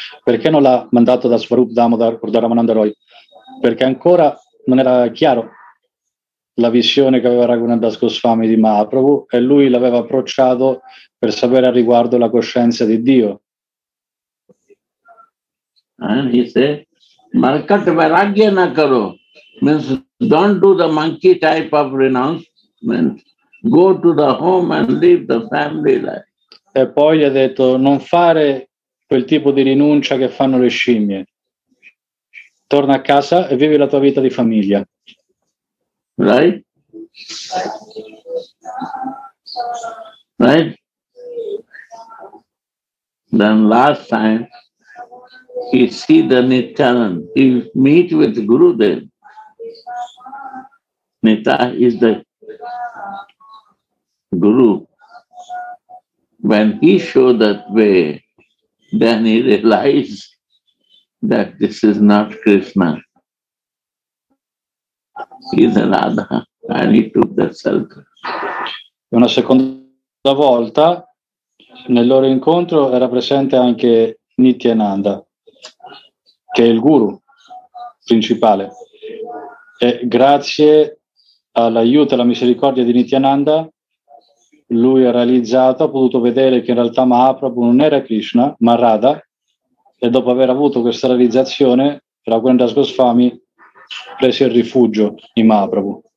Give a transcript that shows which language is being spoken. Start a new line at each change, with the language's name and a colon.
Italian: Perché non l'ha mandato da Sarup Damodar o da Ramananda Roy? Perché ancora non era chiaro la visione che aveva Raghunandas Goswami di Mahaprabhu e lui l'aveva approcciato per sapere al riguardo la coscienza di Dio.
English: And he said,
Hindi: Markat Vairagya na karo,
English: means don't do the monkey type of renouncement, go to the home and leave the family life.
Italian: E poi gli ha detto, non fare quel tipo di rinuncia che fanno le scimmie, torna a casa e vivi la tua vita di famiglia.
English: Right? Then last time he see the Nityanand, he meet with Gurudev. Nitya is the Guru. When he show that way, then he realize that this is not Krishna. He's a Radha, and he took that shelter.
Italian: Una seconda volta, nel loro incontro, era presente anche Nityananda, che è il guru principale. E grazie all'aiuto e alla misericordia di Nityananda, lui ha realizzato, ha potuto vedere che in realtà Mahaprabhu non era Krishna, ma Radha, e dopo aver avuto questa realizzazione, Raghunandas Goswami prese il rifugio in Mahaprabhu.